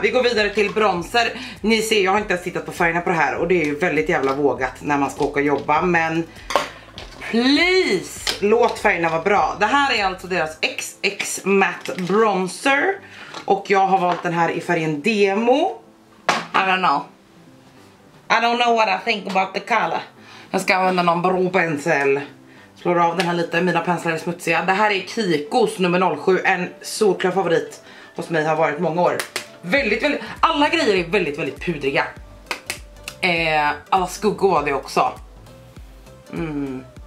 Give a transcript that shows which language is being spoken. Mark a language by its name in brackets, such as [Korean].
[Swedish] Vi går vidare till bronzer. Ni ser, jag har inte ens tittat på färgerna på det här, och det är ju väldigt jävla vågat när man ska åka och jobba, men please, låt färgerna vara bra. Det här är alltså deras XX Matte Bronzer, och jag har valt den här i färgen Demo. [English] I don't know. I don't know what I think about the color. [Swedish] Jag ska använda någon bra pensel. Slår av den här lite, mina penslar är smutsiga. Det här är Kikos nummer 07, en solklar favorit hos mig, har varit många år. väldigt, väldigt, alla grejer är väldigt, väldigt pudriga. Alla skuggor var det också. Mm.